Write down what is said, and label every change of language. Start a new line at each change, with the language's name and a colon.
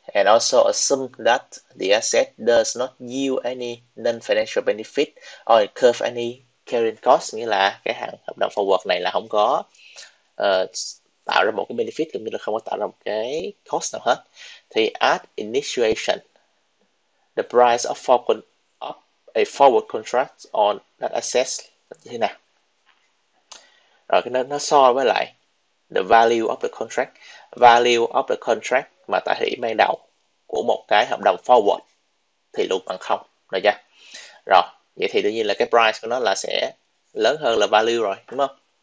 English: And also assume that the asset does not yield any non-financial benefit or incur any carrying cost.
Vietnamese: Nghĩa là cái hàng hợp đồng forward này là không có tạo ra một cái benefit, cũng như là không có tạo ra một cái cost nào hết.
English: Thì at initiation, the price of a forward contract on that asset
Vietnamese: thế nào? Rồi nó so với lại
English: the value of the contract.
Vietnamese: Value of the contract mà tại thời điểm ban đầu của một cái hợp đồng forward thì luôn bằng không, được chưa? Rồi, vậy thì đương nhiên là cái price của nó là sẽ lớn hơn là value rồi, đúng không?